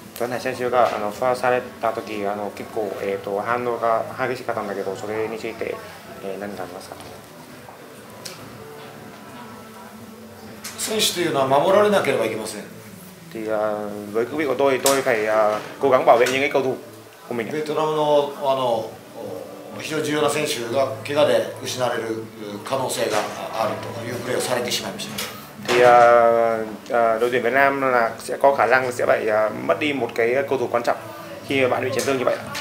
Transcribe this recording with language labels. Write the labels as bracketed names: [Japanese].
[Japanese] Tuấn Hải選手がファーされた時結構反応が激しかったんだけど、それについて何がありますか？選手というのは守られなければいけません。 [Vietnamese] Thì với cương vị của tôi phải cố gắng bảo vệ những cái cầu thủ của mình. [Japanese] ベトナムの非常に重要な選手が怪我で失われる可能性があるというプレーをされてしまいました。 [Vietnamese] Thì đội tuyển Việt Nam là sẽ có khả năng sẽ phải mất đi một cái cầu thủ quan trọng khi bạn bị chấn thương như vậy.